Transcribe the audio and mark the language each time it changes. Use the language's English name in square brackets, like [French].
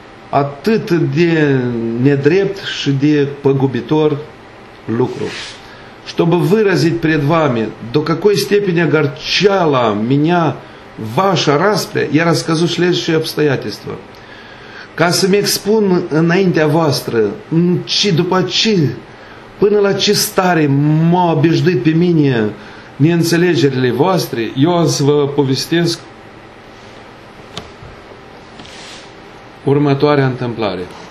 [Romanian] Atât de nedrept și de păgubitor lucru. [Russian] Чтобы выразить пред вами, до какой степени огорчала меня ваша распря, я расскажу следующие обстоятельства. [Romanian] Ca să mi expun înaintea voastră, ci după ce, până la ce stare m-au obișnuit pe mine neînțelegerile voastre, eu am să vă povestesc următoarea întâmplare.